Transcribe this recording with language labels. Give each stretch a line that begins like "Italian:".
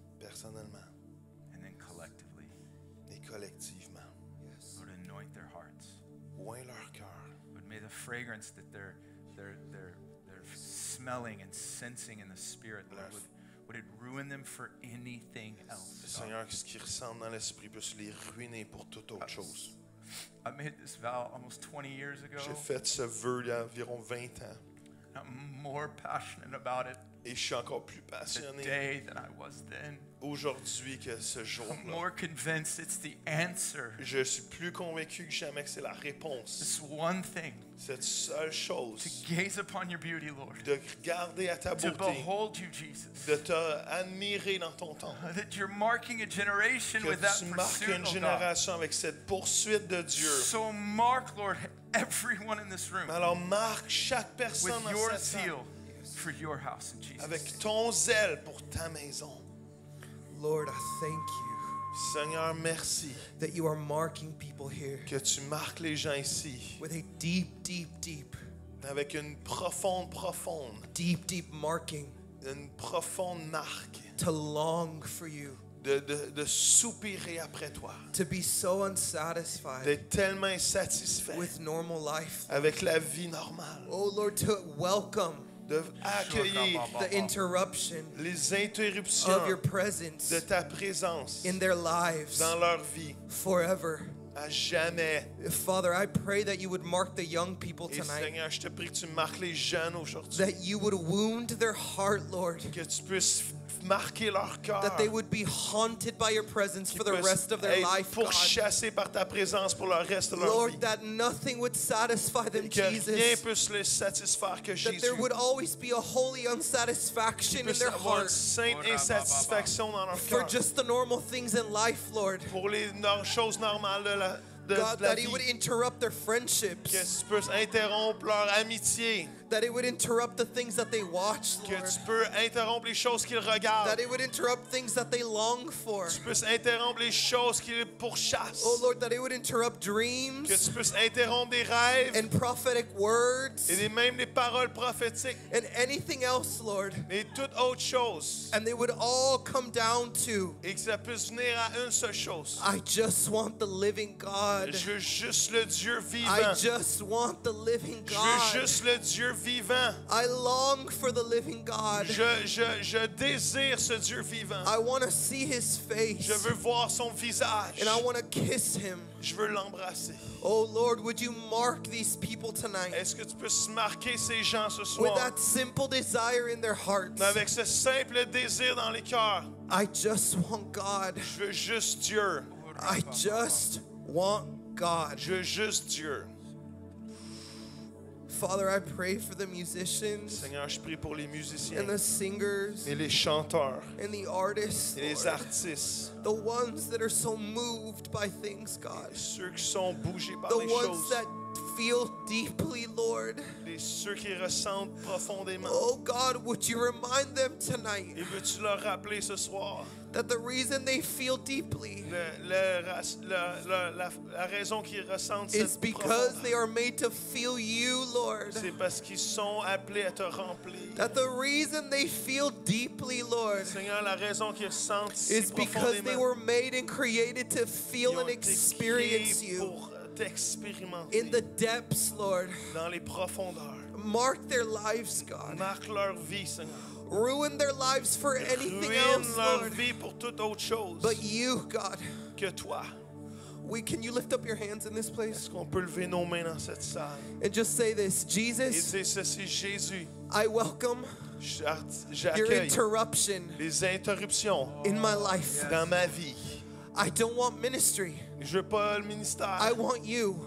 French: Personnellement.
English: And then collectively.
French: Et collectivement.
English: Yes. Lord, anoint their hearts.
French: Oint leur cœur.
English: But may the fragrance that they're smelling and sensing in the spirit, Lord, would it ruin them for anything else?
French: Seigneur, ce qu'ils ressentent dans l'esprit peut les ruiner pour toute autre chose.
English: I made this vow almost 20 years ago.
French: J'ai fait ce vœu il y a environ 20 ans.
English: I'm more passionate about it.
French: Et je suis encore plus passionné.
English: Today than I was then.
French: Aujourd'hui que ce jour-là.
English: I'm more convinced it's the answer.
French: Je suis plus convaincu que jamais que c'est la réponse.
English: This one thing.
French: Cette seule chose.
English: To gaze upon your beauty, Lord.
French: De regarder à ta beauté.
English: To behold you, Jesus.
French: De te admirer dans ton temps.
English: That you're marking a generation with that pursuit.
French: Que tu marques une génération avec cette poursuite de Dieu.
English: So mark, Lord, everyone in this room.
French: Alors marque chaque personne
English: dans cette salle. For your house in Jesus' name.
French: Avec ton zèle pour ta maison.
English: Lord, I thank you.
French: Seigneur, merci.
English: That you are marking people here.
French: Que tu marques les gens ici.
English: With a deep, deep, deep.
French: Avec une profonde, profonde.
English: Deep, deep marking.
French: Une profonde marque.
English: To long for you.
French: De soupirer après toi.
English: To be so unsatisfied.
French: D'être tellement insatisfait.
English: With normal life.
French: Avec la vie normale.
English: Oh Lord, to welcome.
French: De accueillir
English: the interruption,
French: les interruptions
English: of your presence,
French: de ta présence
English: in their lives,
French: dans leur vie,
English: forever,
French: à jamais.
English: Father, I pray that you would mark the young people tonight.
French: Et Seigneur, je te prie que tu marques les jeunes aujourd'hui.
English: That you would wound their heart, Lord.
French: Que tu puisses marquer leur cœur.
English: That they would be haunted by your presence for the rest of their life, God.
French: Pourchassés par ta présence pour le reste de leur vie.
English: Lord, that nothing would satisfy them, Jesus.
French: Que rien puisse les satisfaire que Jésus.
English: That there would always be a holy unsatisfaction in their heart.
French: Une sainte insatisfaction dans leur cœur.
English: For just the normal things in life, Lord.
French: Pour les choses normales de la
English: God, that it would interrupt their friendships.
French: Que tu peux interrompre leur amitié.
English: That it would interrupt the things that they watch, Lord.
French: Que tu peux interrompre les choses qu'ils regardent.
English: That it would interrupt things that they long for.
French: Tu peux interrompre les choses qu'ils pourchassent.
English: Oh Lord, that it would interrupt dreams.
French: Que tu peux interrompre des rêves.
English: And prophetic words.
French: Et même les paroles prophétiques.
English: And anything else, Lord.
French: Et toute autre chose.
English: And they would all come down to.
French: Et que ça puisse venir à une seule chose.
English: I just want the living God.
French: Je veux juste le Dieu vivant.
English: I just want the living God.
French: Je veux juste le Dieu vivant.
English: I long for the living God.
French: Je désire ce Dieu vivant.
English: I want to see his face.
French: Je veux voir son visage.
English: And I want to kiss him.
French: Je veux l'embrasser.
English: Oh Lord, would you mark these people tonight?
French: Est-ce que tu peux marquer ces gens ce soir?
English: With that simple desire in their hearts.
French: Mais avec ce simple désir dans les cœurs.
English: I just want God.
French: Je veux juste Dieu.
English: I just want God.
French: Je veux juste Dieu.
English: Father, I pray for the musicians.
French: Seigneur, je prie pour les musiciens.
English: And the singers.
French: Et les chanteurs.
English: And the artists.
French: Et les artistes.
English: The ones that are so moved by things, God.
French: Et ceux qui sont bougés par
English: the
French: les choses.
English: The ones that feel deeply, Lord.
French: Les ceux qui ressentent profondément.
English: Oh God, would you remind them tonight?
French: Et veux-tu leur rappeler ce soir?
English: That the reason they feel deeply
French: la raison qu'ils ressentent
English: is because they are made to feel you, Lord.
French: C'est parce qu'ils sont appelés à te remplir.
English: That the reason they feel deeply, Lord,
French: Seigneur, la raison qu'ils ressentent
English: is because they were made and created to feel and experience you in the depths, Lord.
French: Dans les profondeurs.
English: Mark their lives, God.
French: Marque leur vie, Seigneur.
English: Ruin their lives for anything else, Lord.
French: Vie pour toute autre chose.
English: But you, God.
French: Que toi.
English: We can you lift up your hands in this place?
French: Est-ce qu'on peut lever nos mains dans cette salle?
English: And just say this, Jesus.
French: Et c'est ceci, Jésus.
English: I welcome.
French: J'accueille
English: your interruption.
French: Les interruptions.
English: In my life.
French: Yes. Dans ma vie.
English: I don't want ministry.
French: Je veux pas le ministère.
English: I want you.